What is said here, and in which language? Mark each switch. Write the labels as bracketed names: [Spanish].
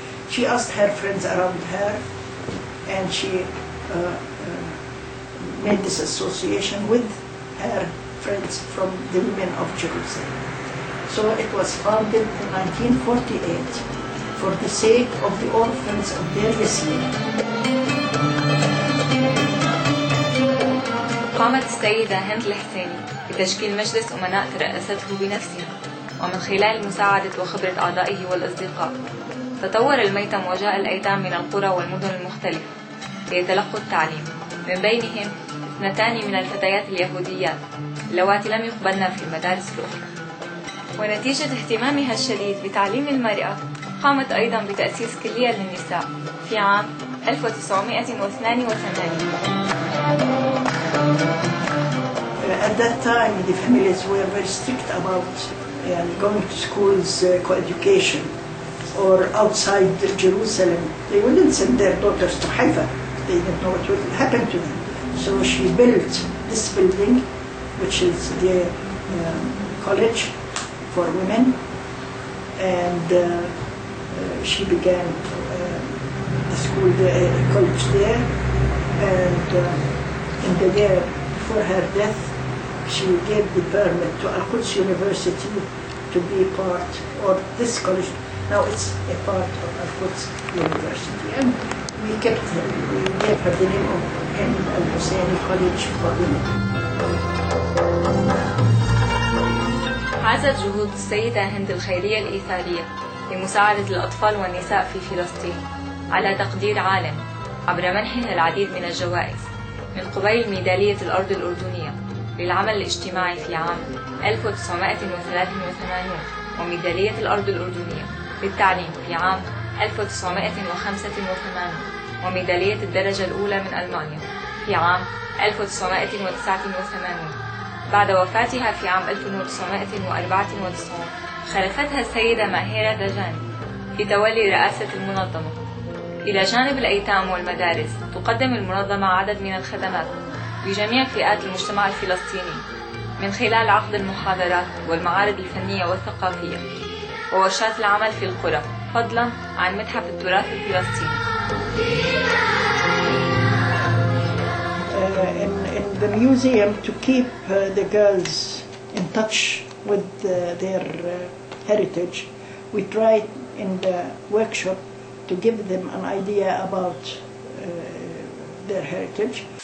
[English] She asked her friends around her and she made this association with her friends from the women of Jerusalem. So it was founded in 1948 for the sake of the orphans of Deir Yassin. [Arabic] قامت السيدة هند الحسيني بتشكيل مجلس أمناء ترأسته بنفسها، ومن خلال مساعدة وخبرة أعضائه والأصدقاء تطور الميتم وجاء الأيتام من القرى والمدن المختلفة ليتلقوا التعليم، من بينهم اثنتان من الفتيات اليهوديات اللواتي لم يقبلن في المدارس الأخرى. ونتيجة اهتمامها الشديد بتعليم المرأة قامت أيضا بتأسيس كلية للنساء في عام 1982. [English] At that time, the families were very strict about going to schools, co-education, or outside Jerusalem. They wouldn't send their daughters to Haifa. They didn't know what would happen to them. So she built this building, which is the college for women, and she began the school, the college there, and in the year before her death, she gave the permit to Al-Quds University to be part of this college. Now it's a part of Al-Quds University. And we kept her, we gave her the name of Hind Al-Husseini College for Women. [Arabic] عزت جهود السيدة هند الخيرية الإيثارية لمساعدة الأطفال والنساء في فلسطين على تقدير عالم عبر منحها العديد من الجوائز، من قبيل ميدالية الأرض الأردنية للعمل الاجتماعي في عام 1983 وميدالية الأرض الأردنية للتعليم في عام 1985 وميدالية الدرجة الأولى من ألمانيا في عام 1989. بعد وفاتها في عام 1994 خلفتها السيدة ماهرة دجاني في تولي رئاسة المنظمة. إلى جانب الأيتام والمدارس تقدم المنظمة عدد من الخدمات لجميع فئات المجتمع الفلسطيني من خلال عقد المحاضرات والمعارض الفنية والثقافية وورشات العمل في القرى، فضلا عن متحف التراث الفلسطيني. [English] In the museum to keep the girls in touch with their heritage, we tried in the workshop to give them an idea about their heritage.